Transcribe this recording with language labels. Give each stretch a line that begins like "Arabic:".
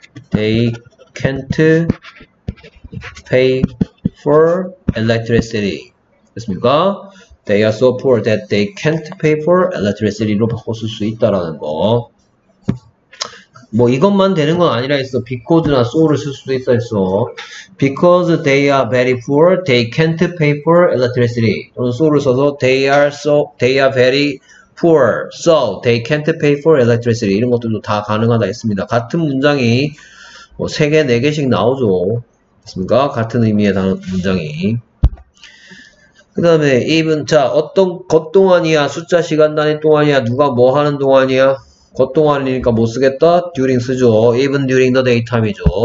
English: They can't pay for electricity.
Korean: 됐습니까?
English: They are so poor that they can't pay for electricity
Korean: 로 바꿨을 수 있다라는 거. 뭐 이것만 되는 건 아니라 있어. Because나 so를 쓸 수도 있어 있어.
English: Because they are very poor, they can't pay for electricity.
Korean: 또는 so를 써서
English: they are very poor, so they can't pay for electricity.
Korean: 이런 것들도 다 가능하다 했습니다. 같은 문장이 뭐 세 개, 네 개씩 나오죠. 맞습니까? 같은 의미의 단어 문장이. 그 다음에 even 자 어떤 겉동안이야 숫자 시간 단위 동안이야 누가 뭐 하는 동안이야 겉동안이니까 못 쓰겠다 during 쓰죠
English: even during the daytime
Korean: 이죠